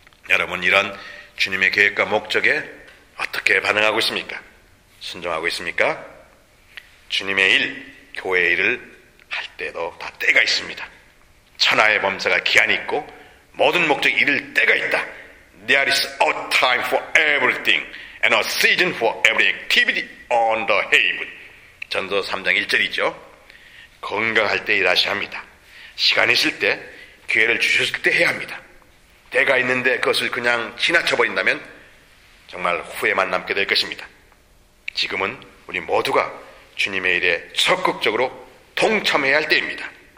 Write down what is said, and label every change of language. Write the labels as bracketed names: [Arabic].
[Korean] 여러분, 이런 주님의 계획과 목적에 어떻게 반응하고 있습니까? 순종하고 있습니까? 주님의 일, 교회의 일을 할 때도 다 때가 있습니다. 천하의 범사가 기한이 있고 모든 목적이 이룰 때가 있다. [English] There is a time for everything and a season for every activity on the heaven. [Korean] 전도 3장 1절이죠. 건강할 때 일하셔야 합니다. 시간 있을 때, 기회를 주셨을 때 해야 합니다. 때가 있는데 그것을 그냥 지나쳐버린다면 정말 후회만 남게 될 것입니다. 지금은 우리 모두가 주님의 일에 적극적으로 동참해야 할 때입니다.